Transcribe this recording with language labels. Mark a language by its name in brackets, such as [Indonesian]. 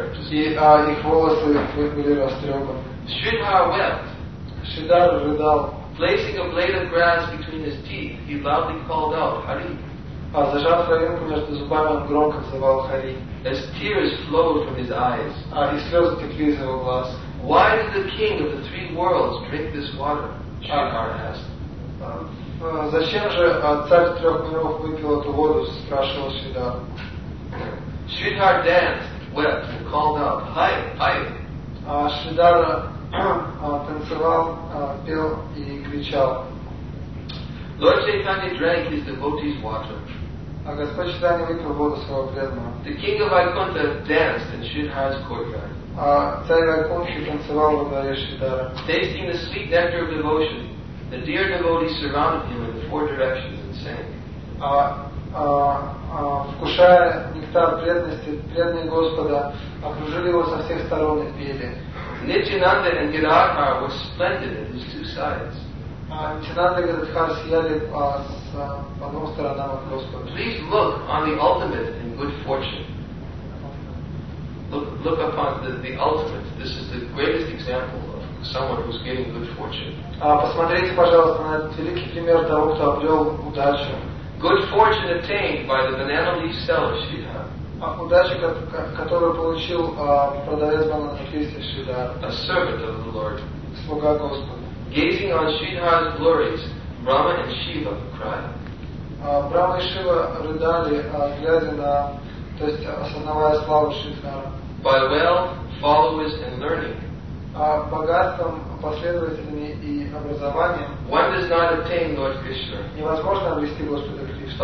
[Russian] И их волосы были растрёпаны. [English] Sridhar wept. [Russian] Sridhar рыдал. [English] Placing a blade of grass between his teeth, he loudly called out, Hari. [Russian] А зажав травинку между зубами, он громко взывал Хари. [English] As tears flowed from his eyes, [Russian] а и слезы текли из его глаз. [English] Why did the king of the three worlds drink this water? Sridhar asked. [Russian] Зачем же царь трех миров выпил эту воду? Спрашивал Sridhar. [English] Sridhar danced, wept, and called out, Hai, Hai. [Russian] Шридхар танцевал, пел и кричал. [English] Lord Chaitanya drank his devotee's water. [Russian] А Господь Чайтанья выпил воду своего преданного. [English] The king of Vaikuntha danced in Shridhar's courtyard. [Russian] Царь Вайкунтхи танцевал во дворе Шридхара. [English] Tasting the sweet nectar of devotion, the dear devotee surrounded him in the four directions and sang. [Russian] Вкушая нектар преданности, преданные Господа окружили его со всех сторон и пели. [English] Nityananda and Gadadhar were splendid at his two sides. [Russian] Nityananda and Gadadhar сияли по двум сторонам от Господа. [English] Please look on the ultimate in good fortune. Look upon the ultimate. This is the greatest example of someone who's getting good fortune. [Russian] Посмотрите, пожалуйста, на этот великий пример того, кто обрел удачу. [English] Good fortune attained by the banana leaf seller, Sridhar. [Russian] А удача, которую получил продавец бананов листьев Шридхар. [English] A servant of the Lord. [Russian] Слуга Господа. [English] Gazing on Sridhar's glories, Brahma and Shiva cried. [Russian] Брама и Шива рыдали, глядя на, то есть основная слава Шридхара. [English] By wealth, followers and learning. [Russian] Богатством, последователями и образованием. [English] One does not attain Lord Krishna. [Russian] Невозможно обрести Господа Кришну.